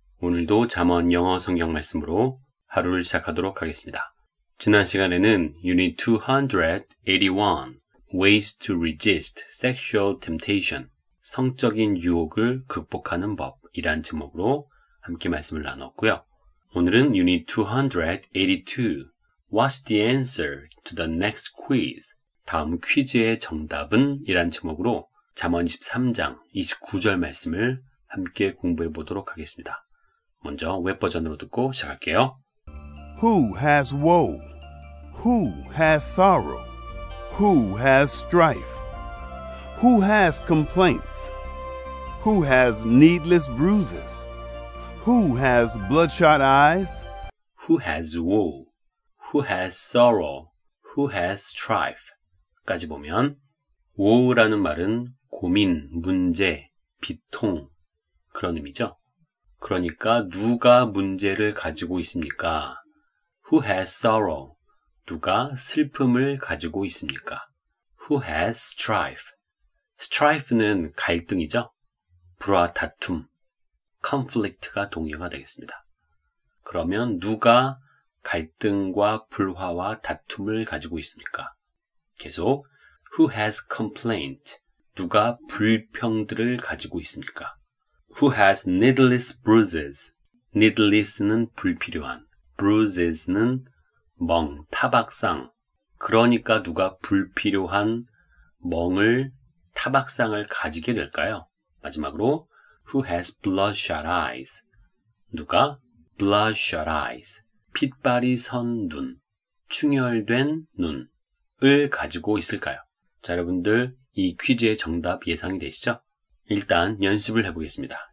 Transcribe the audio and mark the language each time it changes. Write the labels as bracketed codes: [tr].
[ko] 오늘도 잠언 영어 성경 말씀으로 하루를 시작하도록 하겠습니다. 지난 시간에는 Unit 281, [en] Ways to Resist Sexual Temptation, [ko] 성적인 유혹을 극복하는 법이란 제목으로 함께 말씀을 나눴고요. 오늘은 [en] Unit 282, What's the answer to the next quiz? [ko] 다음 퀴즈의 정답은? 이란 제목으로 잠언 23장 29절 말씀을 함께 공부해 보도록 하겠습니다. 먼저 웹 버전으로 듣고 시작할게요. [en] Who has woe? Who has sorrow? Who has strife? Who has complaints? Who has needless bruises? Who has bloodshot eyes? Who has woe? Who has sorrow? Who has strife? [ko] 까지 보면 woe라는 말은 고민, 문제, 비통 그런 의미죠. 그러니까 누가 문제를 가지고 있습니까? [en] Who has sorrow? [ko] 누가 슬픔을 가지고 있습니까? [en] Who has strife? [ko] Strife는 갈등이죠. 불화, 다툼, conflict가 동의어가 되겠습니다. 그러면 누가 갈등과 불화와 다툼을 가지고 있습니까? 계속 [en] Who has complaint? [ko] 누가 불평들을 가지고 있습니까? [en] Who has needless bruises? [ko] Needless는 불필요한, bruises는 멍, 타박상. 그러니까 누가 불필요한 멍을, 타박상을 가지게 될까요? 마지막으로 [en] Who has bloodshot eyes? 누가 bloodshot eyes? [ko] 핏발이 선 눈, 충혈된 눈을 가지고 있을까요? 자, 여러분들 이 퀴즈의 정답 예상이 되시죠? 일단 연습을 해보겠습니다.